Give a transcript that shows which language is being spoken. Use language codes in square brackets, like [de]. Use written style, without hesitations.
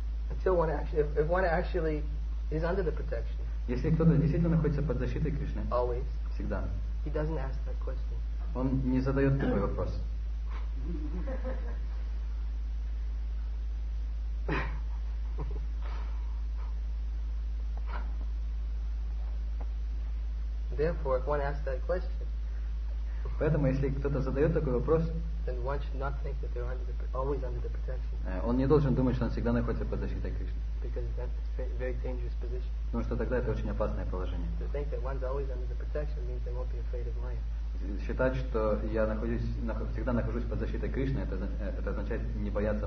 [en] Until one actually, if one actually is under the protection. [ru] Если кто-то действительно находится под защитой Кришны. [en] Always. [ru] Всегда. [en] He doesn't ask that question. [ru] Он не задает такой вопрос. [en] Therefore, if one asks that question, [ru] поэтому если кто-то задает такой вопрос, [en] then one should not think that they're always under the protection. [ru] Он не должен думать, что он всегда находится под защитой Кришны. [en] Because that's a very dangerous position. [ru] Потому что тогда это очень опасное положение. [en] To think that one's always under the protection means they won't be afraid of Maya. [ru] Считать, что я всегда нахожусь под защитой Кришны, это означает не бояться